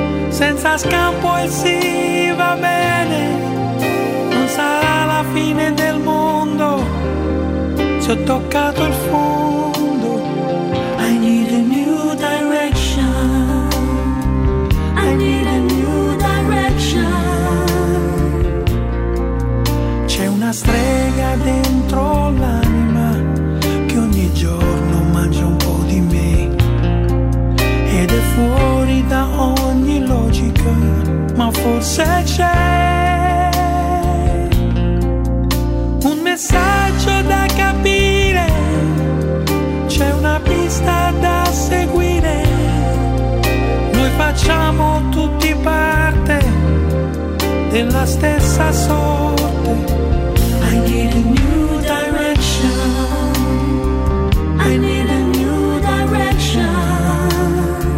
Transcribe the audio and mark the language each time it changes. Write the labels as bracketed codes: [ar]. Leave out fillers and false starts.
[it] Senza scampo e sì, va bene, non sarà la fine del mondo se ho toccato il fondo. [en] I need a new direction, I need a new direction. [it] C'è una strega dentro l'anima che ogni giorno mangia un po' di me ed è fuori da ogni logica, ma forse c'è un messaggio da capire, c'è una pista da seguire, noi facciamo tutti parte della stessa sorte. [en] I need a new direction, I need a new direction.